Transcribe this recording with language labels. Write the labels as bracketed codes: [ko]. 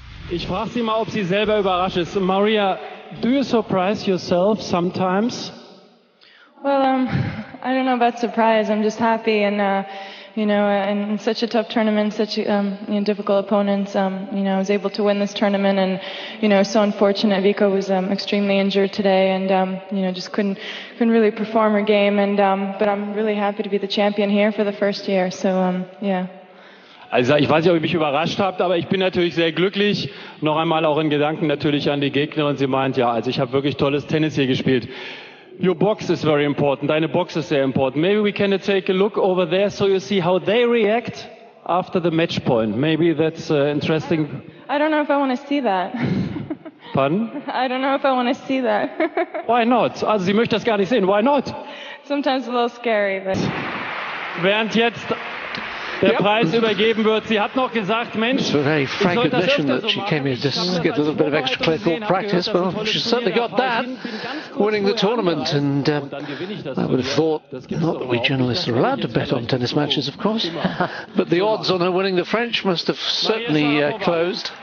[de] Ich frage sie mal, ob sie selber überrascht ist. [en] Maria, do you surprise yourself sometimes? Well, I don't know about surprise. I'm just happy, and you know, in such a tough tournament, such you know, difficult opponents, you know, I was able to win this tournament, and you know, so unfortunate. Vika was extremely injured today, and you know, just couldn't really perform her game. And but I'm really happy to be the champion here for the first year. So yeah. [de] Also ich weiß nicht, ob ihr mich überrascht habt, aber ich bin natürlich sehr glücklich. Noch einmal auch in Gedanken natürlich an die Gegnerin. Sie meint, ja, also ich habe wirklich tolles Tennis hier gespielt. [en] Your box is very important. [de] Deine Box ist sehr important. [en] Maybe we can take a look over there so you see how they react after the match point. Maybe that's interesting. I don't know if I want to see that. Pardon? I don't know if I want to see that. Why not? [de] Also sie möchte das gar nicht sehen. [en] Why not? Sometimes a little scary, but... [de] Während jetzt... Der yep. Preis übergeben wird. Sie hat noch gesagt, Mensch, [en] it's a very frank admission that she came here just to get a little bit of extra clinical practice. Well, she certainly got that, winning the tournament. And I would have thought, not that we journalists are allowed to bet on tennis matches, of course, but the odds on her winning the French must have certainly closed.